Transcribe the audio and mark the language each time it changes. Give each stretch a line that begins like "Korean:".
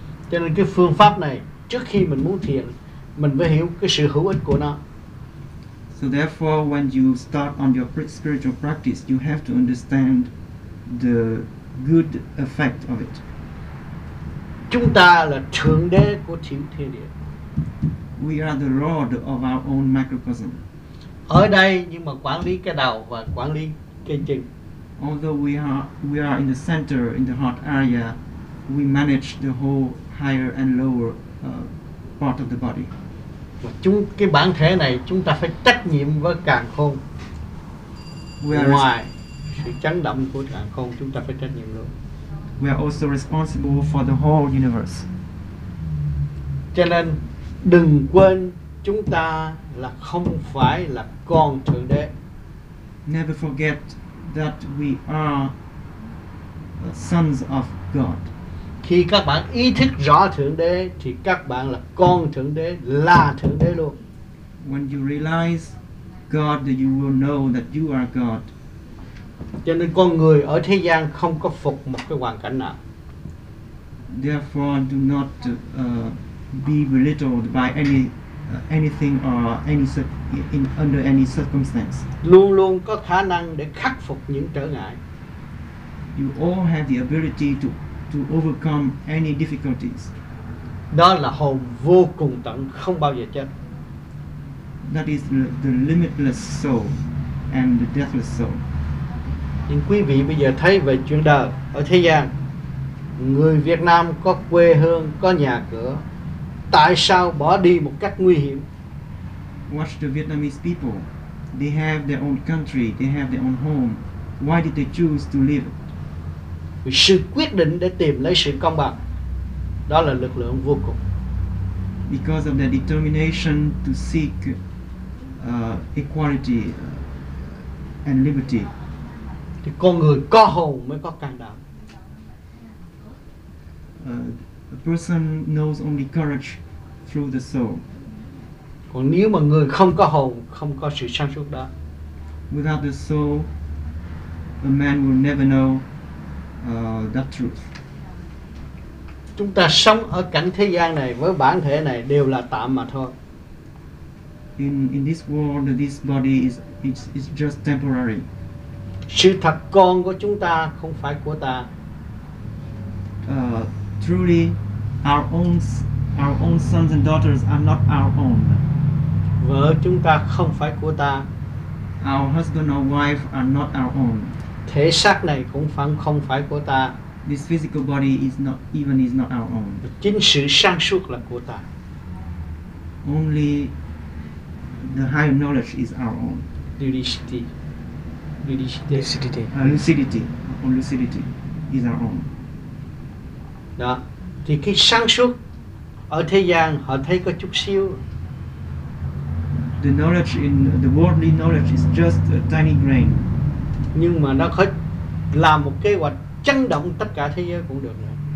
Vietnamese: Cho nên cái phương pháp này, trước khi mình muốn thiền, mình phải hiểu cái sự hữu ích của nó.
English: So therefore, when you start on your spiritual practice, you have to understand the good effect of it.
Vietnamese: Chúng ta là thượng đế của thiểu thiên địa.
English: We are the lord of our own microcosm.
Vietnamese: Ở đây nhưng mà quản lý cái đầu và quản lý cái chân.
English: Although we are in the center, in the heart area, we manage the whole higher and lower part of the body.
Vietnamese: Và chúng cái bản thể này chúng ta phải trách nhiệm với càn khôn. Ngoài sự chấn động của càn khôn, chúng ta phải trách nhiệm luôn.
English: We are also responsible for the whole universe.
Vietnamese: Cho nên đừng quên chúng ta là không phải là con thượng đế.
English: Never forget that we are sons of God.
Vietnamese: Khi các bạn ý thức rõ thượng đế thì các bạn là con thượng đế, là thượng đế luôn.
English: When you realize God, you will know that you are God.
Vietnamese: Cho nên con người ở thế gian không có phục một cái hoàn cảnh nào.
English: Therefore, do not be belittled by any anything or any in under any circumstance.
Vietnamese: Luôn luôn có khả năng để khắc phục những trở ngại.
English: You all have the ability to overcome any difficulties.
Vietnamese: Đó là hồn vô cùng tận, không bao giờ chết.
English: That is the limitless soul and the deathless soul.
Vietnamese: Nhưng quý vị bây giờ thấy về chuyện đời ở thế gian, người Việt Nam có quê hương, có nhà cửa, tại sao bỏ đi một cách nguy hiểm?
English: Watch the Vietnamese people. They have their own country, they have their own home. Why did they choose to leave?
Vietnamese: Vì sự quyết định để tìm lấy sự công bằng, đó là lực lượng vô cùng.
English: Because of their determination to seek equality and liberty.
Vietnamese: Thì con người có hồn mới có can đảm.
English: A person knows only courage through the soul.
Vietnamese: Còn nếu mà người không có hồn, không có sự sáng suốt đó.
English: Without the soul, a man will never know that truth.
Vietnamese: Chúng ta sống ở cảnh thế gian này với bản thể này đều là tạm mà thôi.
English: In this world, this body is just temporary.
Vietnamese: Sự thật con của chúng ta không phải của ta.
English: Truly, our own sons and daughters are not our own.
Vietnamese: Vợ chúng ta không phải của ta.
English: Our husband or wife are not our own.
Vietnamese: Thể xác này cũng không phải của ta.
English: This physical body is not our own.
Vietnamese: Chính sự sáng suốt là của ta.
English: Only the higher knowledge is our own. Lucidity. Only lucidity is our own.
Vietnamese: Đó. Thì cái sáng suốt ở thế gian họ thấy có chút xíu.
English: The knowledge in the worldly knowledge is just a tiny grain.
Vietnamese: Nhưng mà nó có làm một kế hoạch chấn động tất cả thế giới cũng được rồi.